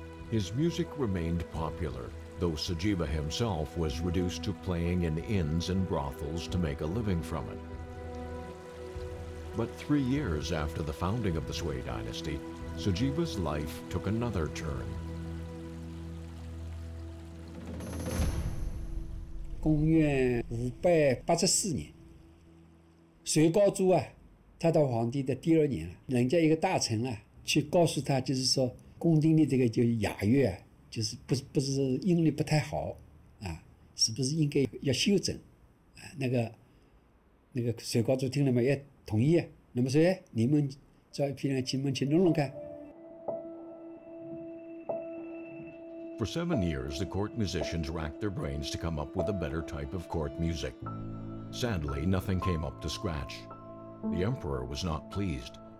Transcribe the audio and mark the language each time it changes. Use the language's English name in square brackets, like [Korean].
[English] His music remained popular, though Sujiva himself was reduced to playing in inns and brothels to make a living from it. But 3 years after the founding of the Sui dynasty, Sujiva's life took another turn. [Chinese] 公元584年，隋高祖啊，他当皇帝的第二年，人家一个大臣啊，去告诉他，就是说宫廷的这个就雅乐啊，就是不是音律不太好啊，是不是应该要修整？啊，那个隋高祖听了嘛，也同意。那么说，哎，你们找一批人进门去弄弄看。 [English] For 7 years, the court musicians racked their brains to come up with a better type of court music. Sadly, nothing came up to scratch. The emperor was not pleased.